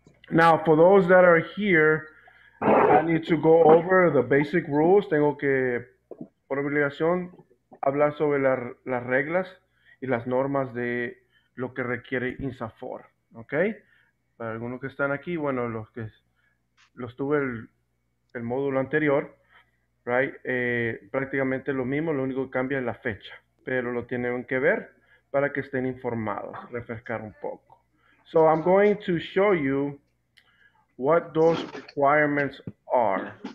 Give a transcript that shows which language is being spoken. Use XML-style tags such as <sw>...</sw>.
<en>Now, for those that are here, I need to go over the basic rules.</en> <es>Tengo que, por obligación, hablar sobre las reglas y las normas de lo que requiere INSAFOR. Okay? Para algunos que están aquí, bueno, los que los tuve el módulo anterior, right? Prácticamente lo mismo, lo único que cambia es la fecha, pero lo tienen que ver para que estén informados, refrescar un poco.</es> <en>So I'm going to show you what those requirements are.</en>